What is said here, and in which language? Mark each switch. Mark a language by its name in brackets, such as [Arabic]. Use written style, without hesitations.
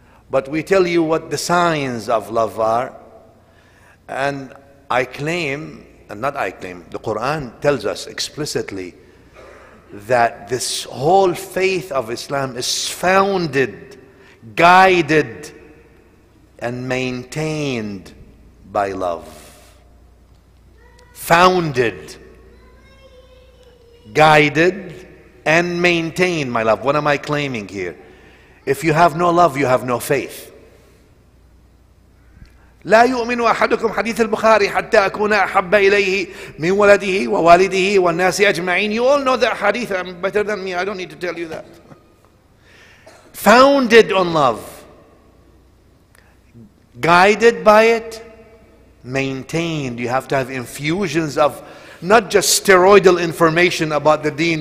[English] But we tell you what the signs of love are. And I claim, and not I claim, the Quran tells us explicitly that this whole faith of Islam is founded, guided, and maintained by love. Founded, guided, and maintained, my love. What am I claiming here? If you have no love, you have no faith. [Arabic] لا يؤمن أحدكم حديث البخاري حتى أكون أحب إليه من ولده ووالده والناس أجمعين. [English] You all know that hadith better than me. I don't need to tell you that. Founded on love. Guided by it. Maintained. You have to have infusions of not just steroidal information about the deen.